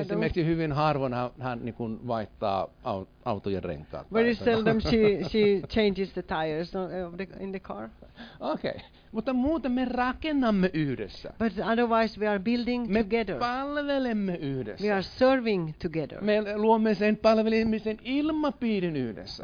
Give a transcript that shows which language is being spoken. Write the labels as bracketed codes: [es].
[fi] Esimerkiksi hyvin harvoin hän niin kuin vaihtaa autojen renkaat. [en] Very seldom she changes the tires of the, in the car. Okay. [fi] Mutta muuten me rakennamme yhdessä. [en] But otherwise we are building [fi] me [en] together. [fi] Me palvelemme yhdessä. [en] We are serving together. [fi] Me luomme sen palvelemisen ilmapiirin yhdessä.